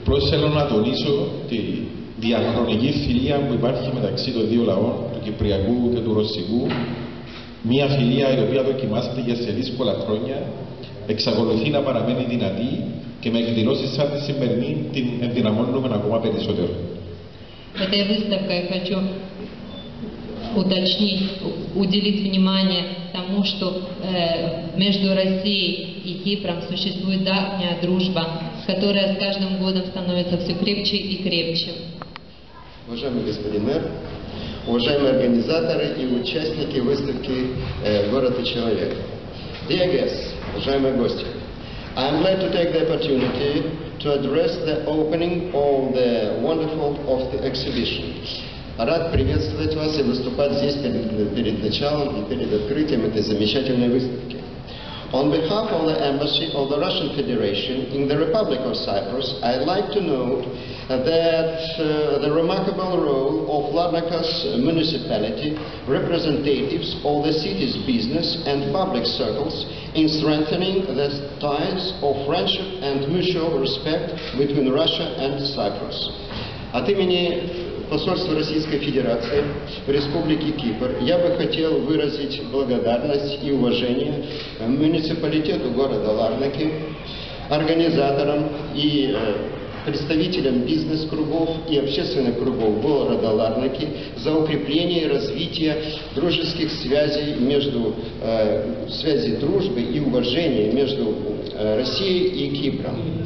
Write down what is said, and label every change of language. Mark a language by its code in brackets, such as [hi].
[el] θέλω να τονίσω τη διαχρονική φιλία που υπάρχει μεταξύ των δύο λαών, του Κυπριακού και του Ρωσικού. Μια φιλία η οποία δοκιμάζεται για σε δύσκολα χρόνια, εξακολουθεί να παραμένει δυνατή και με εκδηλώσεις σαν τη σημερινή την ενδυναμώνουμε ακόμα περισσότερο. [ru] Эта выставка, я хочу уточнить, уделить внимание тому, что между Россией и Кипром существует давняя дружба, которая с каждым годом становится все крепче и крепче. Уважаемый господин мэр, уважаемые организаторы и участники выставки «Город и человек», [en] dear guests, [ru] уважаемые гости, [en] I'm glad to take the opportunity to address the opening of the wonderful of the exhibition. [ru] Рад приветствовать вас и выступать здесь перед началом и перед открытием этой замечательной выставки. [en] On behalf of the Embassy of the Russian Federation in the Republic of Cyprus, I'd like to note that the remarkable role of Larnaca's municipality, representatives of the city's business and public circles in strengthening the ties of friendship and mutual respect between Russia and Cyprus. [ru] От имени посольства Российской Федерации в Республике Кипр я бы хотел выразить благодарность и уважение муниципалитету города Ларнаки, организаторам и представителям бизнес-кругов и общественных кругов города Ларнаки за укрепление и развитие дружеских связей между связи дружбы и уважения между Россией и Кипром.